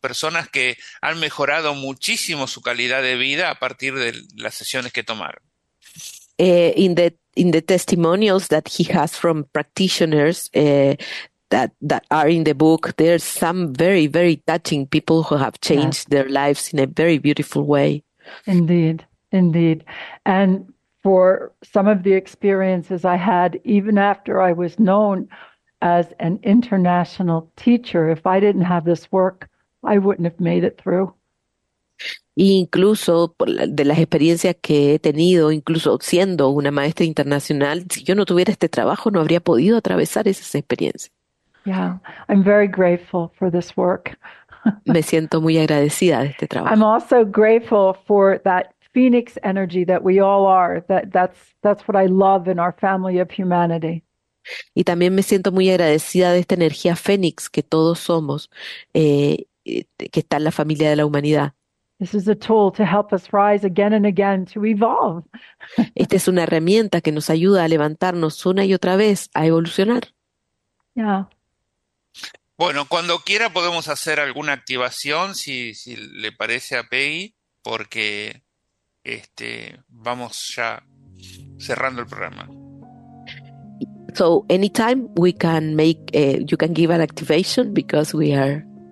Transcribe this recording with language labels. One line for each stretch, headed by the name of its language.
Spanish: Personas que han mejorado muchísimo su calidad de vida a partir de las sesiones que tomaron.
English: In the testimonials that he has from practitioners that are in the book, there's some very, very touching people who have Yes. changed their lives in a very beautiful way. Indeed, indeed. And for some of the experiences I had, even after I was known as an international teacher, if I didn't have this work, I wouldn't have made it through.
Spanish: Incluso de las experiencias que he tenido, incluso siendo una maestra internacional, si yo no tuviera este trabajo, no habría podido atravesar esas experiencias.
English: Yeah, I'm very grateful for this work.
Spanish: Me siento muy agradecida de este
English: I'm
Spanish: trabajo.
English: also grateful for that Phoenix energy that we all are, that's what I love in our family of humanity.
Spanish: Y también me siento muy agradecida de esta energía fénix que todos somos, que está en la familia de la humanidad.
English: This is a tool to help us rise again and again to evolve.
Spanish: Esta es una herramienta que nos ayuda a levantarnos una y otra vez a evolucionar.
English: Yeah.
Spanish: Bueno, cuando quiera podemos hacer alguna activación, si le parece a Peggy, porque vamos ya cerrando el programa.
English: So anytime we can you can give an activation because we are